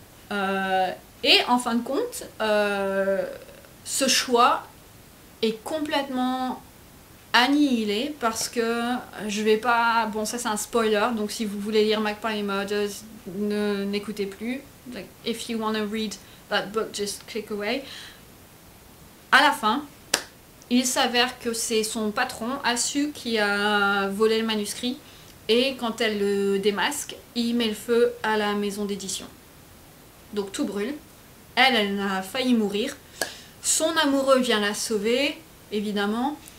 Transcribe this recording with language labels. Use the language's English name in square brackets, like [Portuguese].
[French] Et en fin de compte, ce choix est complètement annihilé parce que je vais pas... Bon, ça c'est un spoiler, donc si vous voulez lire Magpie Murders, n'écoutez plus. [English] Like, if you wanna read that book, just click away. [French] À la fin, il s'avère que c'est son patron, Asu, qui a volé le manuscrit, et quand elle le démasque, il met le feu à la maison d'édition. Donc tout brûle. Elle, elle a failli mourir. Son amoureux vient la sauver, évidemment.